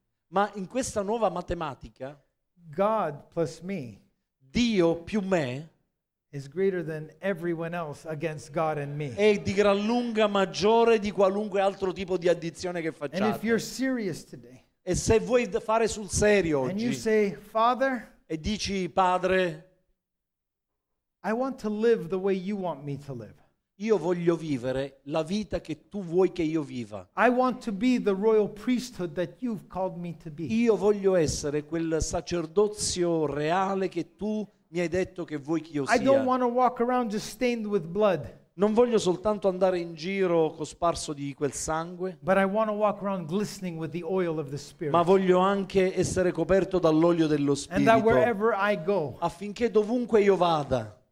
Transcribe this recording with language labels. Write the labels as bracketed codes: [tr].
[it] Ma in questa nuova matematica, [en] God plus me, [it] Dio più me, [en] is greater than everyone else against God and me. [it] È di gran lunga maggiore di qualunque altro tipo di addizione che facciate. [en] And if you're serious today, [it] e se vuoi fare sul serio oggi, [en] and you say, Father, [it] e dici, Padre, [en] I want to live the way you want me to live. [it] Io voglio vivere la vita che tu vuoi che io viva. [en] I want to be the royal priesthood that you've called me to be. [it] Io voglio essere quel sacerdozio reale che tu mi hai detto che vuoi che io sia. [en] I don't want to walk around just stained with blood. [it] Non voglio soltanto andare in giro cosparso di quel sangue, [en] but I want to walk around glistening with the oil of the Spirit. [it] Ma voglio anche essere coperto dall'olio dello Spirito. [en] And that wherever I go, [it] affinché dovunque io vada,